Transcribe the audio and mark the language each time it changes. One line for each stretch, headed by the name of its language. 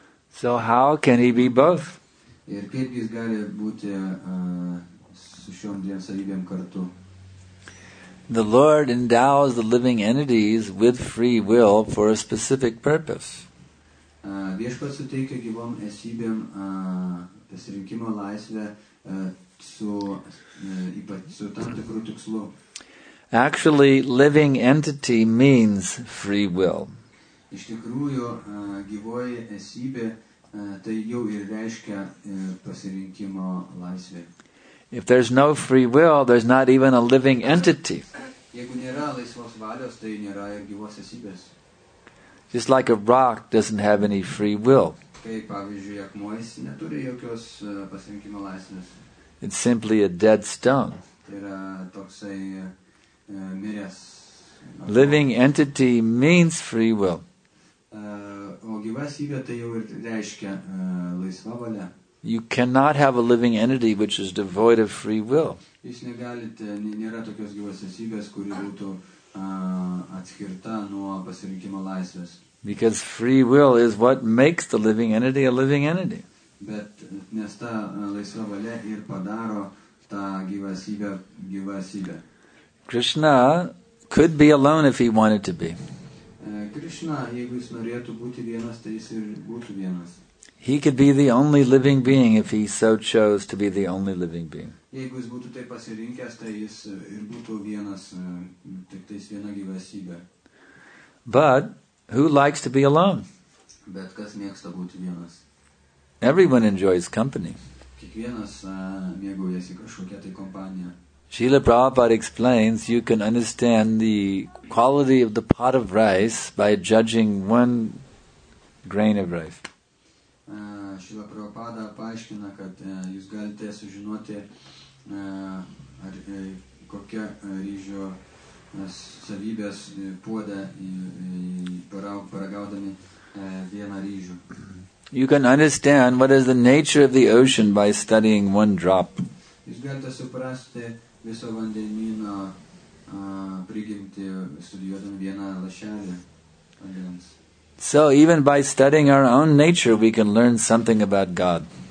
English: So how can He be both? The Lord endows the living entities with free will for a specific purpose.
Lithuanian: Viešpats suteikia gyvom esybėm pasirinkimo laisvę su tam tikru tikslu.
English: Actually, living entity means free will.
Lithuanian: Iš tikrųjų, gyvoji esybė tai jau ir reiškia pasirinkimo laisvę.
English: If there's no free will, there's not even a living entity.
Lithuanian: Jeigu nėra laisvos valios, tai nėra ir gyvos esybės.
English: Just like a rock doesn't have any free will.
Lithuanian: Kaip pavyzdžiui, akmuo jis neturi jokios pasirinkimo laisvės.
English: It's simply a dead stone.
Lithuanian: Tai yra toksai miręs.
English: Living entity means free will.
Lithuanian: O gyva esybė tai jau ir reiškia laisva valia.
English: You cannot have a living entity which is devoid of free will.
Lithuanian: Jūs negalite, nėra tokios gyvos esybės, kuri būtų atskirta nuo pasirinkimo laisvės.
English: Because free will is what makes the living entity a living entity.
Lithuanian: Bet nes ta laisva valia ir padaro tą gyvą esybę gyvą esybę.
English: Krishna could be alone if he wanted to be.
Lithuanian: Krishna, jeigu jis norėtų būti vienas, tai jis ir būtų vienas.
English: He could be the only living being if he so chose to be the only living being.
Lithuanian: Jeigu jis būtų taip pasirinkęs, tai jis ir būtų vienas, tik tais viena gyvasybė.
English: But who likes to be alone?
Lithuanian: Bet kas mėgsta būti vienas?
English: Everyone enjoys company.
Lithuanian: Kiekvienas mėgaujasi kažkokia tai kompanija.
English: Srila Prabhupada explains you can understand the quality of the pot of rice by judging one grain of rice.
Lithuanian: Šila Prabhupada paaiškina, kad jūs galite sužinoti, ar kokia ryžio savybės puoda paragaudami vieną ryžių.
English: You can understand what is the nature of the ocean by studying one drop.
Lithuanian: Jūs galite suprasti viso vandenyno prigimtį studijuodami vieną lašelį vandens.
English: So even by studying our own nature, we can learn something about God.